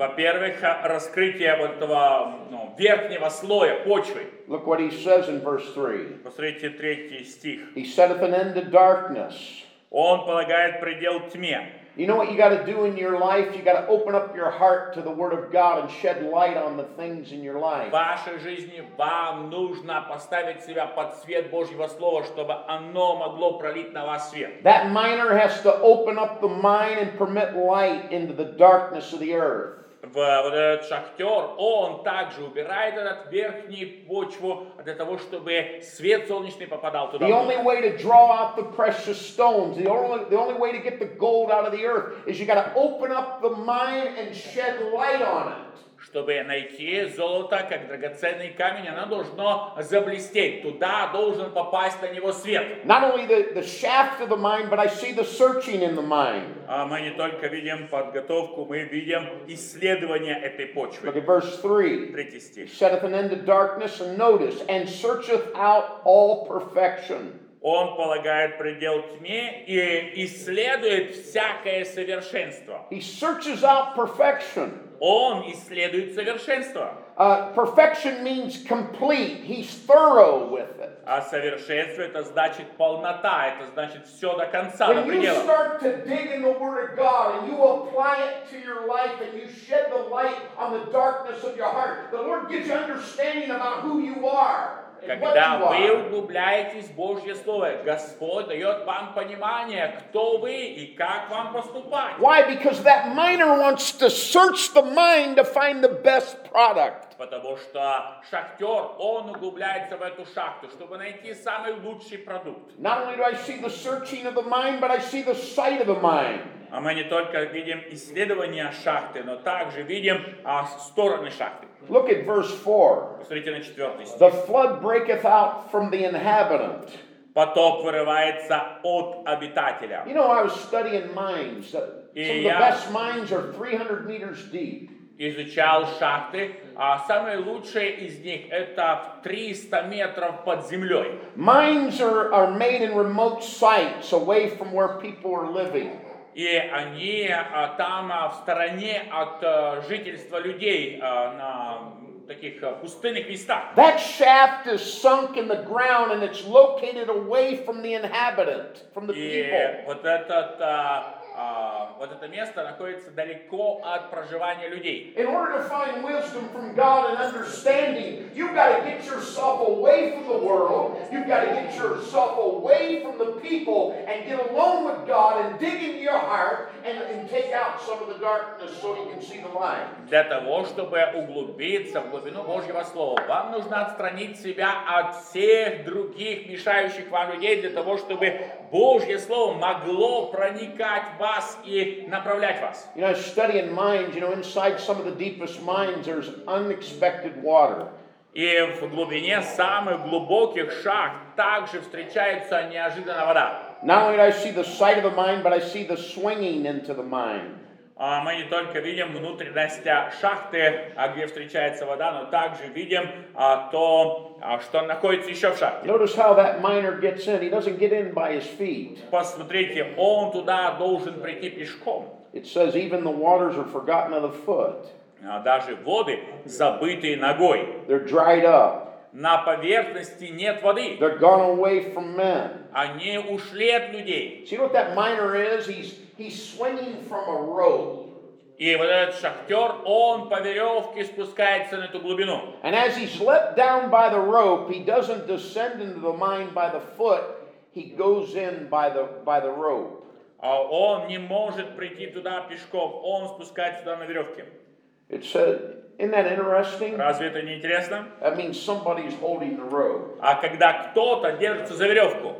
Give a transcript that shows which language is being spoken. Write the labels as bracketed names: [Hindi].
[Russian] Во-первых, раскрытие вот этого верхнего слоя почвы. [English] Look what he says in verse 3. [Russian] Посмотрите третий стих. [English] He setteth an end to darkness. [Russian] Он полагает предел тьме. [English] You know what you got to do in your life? You got to open up your heart to the Word of God and shed light on the things in your life. [Russian] В вашей жизни вам нужно поставить себя под свет Божьего Слова, чтобы оно могло пролить на вас свет. [English] That miner has to open up the mine and permit light into the darkness of the earth. [Russian] Вот этот шахтер, он также убирает этот верхний почву для того, чтобы свет солнечный попадал туда. [English] The only way to draw out the precious stones, the only way to get the gold out of the earth, is you got to open up the mine and shed light on it. [Russian] Чтобы найти золото, как драгоценный камень, оно должно заблестеть. Туда должен попасть на него свет. [English] Not only the shaft of the mine, but I see the searching in the mine. [Russian] Мы не только видим подготовку, мы видим исследование этой почвы. [English] Look at verse 3. [Russian] Третий стих. [English] Setteth an end to darkness, and notice, and searcheth out all perfection. [Russian] Он полагает предел тьме и исследует всякое совершенство. [English] He searches out perfection. Он исследует совершенство. Perfection means complete. He's thorough with it. [Russian] А совершенство это значит полнота, это значит все до конца, [English] when [Russian] до предела. [English] When you start to dig in the Word of God and you apply it to your life and you shed the light on the darkness of your heart, the Lord gives you understanding about who you are. [Russian] Когда вы углубляетесь в Божье Слово, Господь дает вам понимание, кто вы и как вам поступать. [English] Why? Because that miner wants to search the mine to find the best product. [Russian] Потому что шахтер, он углубляется в эту шахту, чтобы найти самый лучший продукт. [English] Not only do I see the searching of the mine, but I see the sight of the mine. [Russian] А мы не только видим исследование шахты, но также видим стороны шахты. [English] Look at verse 4. [Russian] Посмотрите на четвертый стих. [English] The flood breaketh out from the inhabitant. [Russian] Поток вырывается от обитателя. [English] You know, I was studying mines. Some of the best mines are 300 meters deep. [Russian] Изучал шахты, а самые лучшие из них это 300 метров под землей. [English] Mines are made in remote sites, away from where people are living. [Russian] И они там в стороне от жительства людей на таких пустынных местах. [English] That shaft is sunk in the ground and it's located away from the inhabitant, from the [Russian] и [English] people. [Russian] И вот этот вот это место находится далеко от проживания людей. [English] In order to find wisdom from God and understanding, you've got to get yourself away from the world, you've got to get yourself away from the people and get alone with God and dig in your heart and take out some of the darkness so you can see the light. [Russian] Для того, чтобы углубиться в глубину Божьего Слова, вам нужно отстранить себя от всех других мешающих вам людей для того, чтобы Божье Слово могло проникать вас и направлять вас. [English] You know, studying mines, you know, inside some of the deepest mines, there's unexpected water. [Russian] И в глубине самых глубоких шахт также встречается неожиданная вода. [English] Not only do I see the sight of the mine, but I see the swinging into the mine. [Russian] Мы не только видим внутренность шахты, где встречается вода, но также видим то, что находится еще в шахте. [English] Notice how that miner gets in. He doesn't get in by his feet. [Russian] Посмотрите, он туда должен прийти пешком. [English] It says even the waters are forgotten of the foot. [Russian] Даже воды забытые ногой. [English] They're dried up. [Russian] На поверхности нет воды. [English] They're gone away from men. [Russian] Они ушли от людей. [English] See what that miner is? He's swinging from a rope. [Russian] И вот этот шахтер, он по веревке спускается на эту глубину. [English] And as he's let down by the rope, he doesn't descend into the mine by the foot. He goes in by the rope. [Russian] А он не может прийти туда пешком. Он спускается туда на веревке. [English] It said, "Isn't that interesting?" [Russian] Разве это не интересно? [English] That means somebody's holding the rope. [Russian] А когда кто-то держится за веревку?